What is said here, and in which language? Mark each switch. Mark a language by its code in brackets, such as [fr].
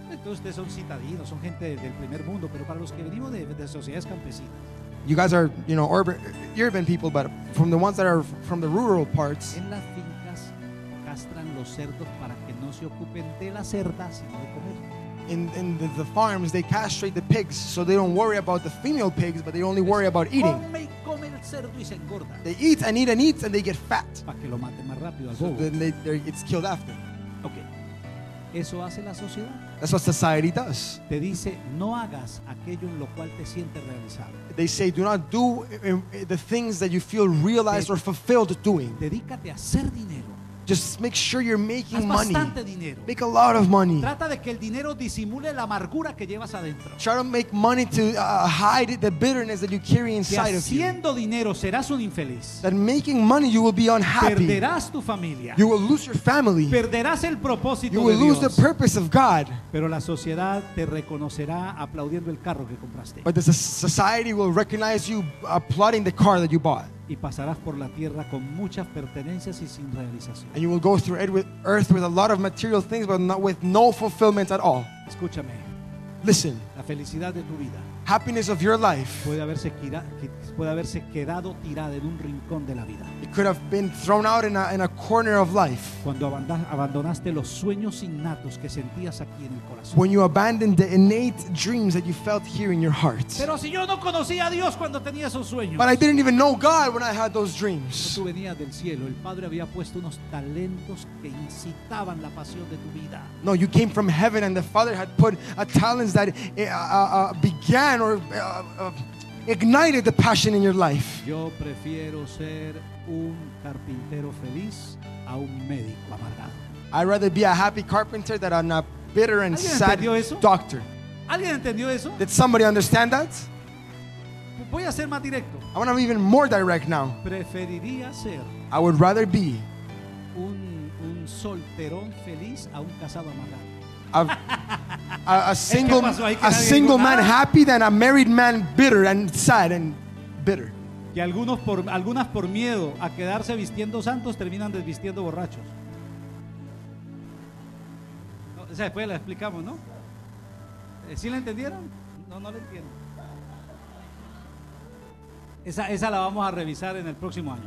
[es] Ustedes son citadinos, son gente del primer mundo, pero para los que venimos de sociedades campesinas. [en] You guys are, you know, urban people, but from the ones that are from the rural parts. [es] En las fincas castran los cerdos para que no se ocupen de la cerda, sino de comer. [en] In the farms, they castrate the pigs so they don't worry about the female pigs, but they only worry about eating. [es] Come el cerdo y se engorda. [en] They eat and eat and eat and they get fat. [es] Para que lo maten más rápido al bobo. [en] So then it's killed after. [es] Okay. Eso hace la sociedad. [en] That's what society does. [es] Te dice, no hagas aquello en lo cual te sientes realizado. [en] They say, do not do the things that you feel realized or fulfilled doing. [es] Dedícate a hacer dinero. [en] Just make sure you're making money. [es] Dinero. [en] Make a lot of money. [es] Trata de que el dinero disimule la amargura que llevas adentro. [en] Try to make money to hide the bitterness that you carry inside of you. [es] Haciendo dinero serás un infeliz. [en] That making money you will be unhappy. [es] Perderás tu familia. [en] You will lose your family. [es] Perderás el propósito de Dios. [en] You will lose the purpose of God. [es] Pero la sociedad te reconocerá aplaudiendo el carro que compraste. [en] But the society will recognize you applauding the car that you bought. [es] Y pasarás por la tierra con muchas pertenencias y sin realización. [en] And you will go through earth with a lot of material things, but not with no fulfillment at all. [es] Escúchame. [en] Listen. [es] La felicidad de tu vida. [en] Happiness of your life. [es] Puede haberse quedado tirada en un rincón de la vida. [en] It could have been thrown out in a corner of life. [es] Cuando abandonaste los sueños innatos que sentías aquí en el corazón. [en] When you abandoned the innate dreams that you felt here in your heart. [es] Pero si yo no conocía a Dios cuando tenía esos sueños. [en] But I didn't even know God when I had those dreams. [es] Tú venías del cielo. El Padre había puesto unos talentos que incitaban la pasión de tu vida. [en] No, you came from heaven and the Father had put a talents that began or ignited the passion in your life. [es] Yo prefiero ser un carpintero feliz a un médico amargado. [en] I'd rather be a happy carpenter than a bitter and sad doctor. [es] ¿Alguien entendió eso? [en] Did somebody understand that? [es] Voy a ser más directo. [en] I want to be even more direct now. [es] Preferiría ser. [en] I would rather be [es] un solterón feliz a un casado amargado. [en] A single man happy than a married man bitter and sad and bitter. [es] Que algunas por miedo a quedarse vistiendo santos terminan desvistiendo borrachos. No, o sea, después la explicamos, ¿no? ¿Sí la entendieron? No la entiendo. Esa la vamos a revisar en el próximo año.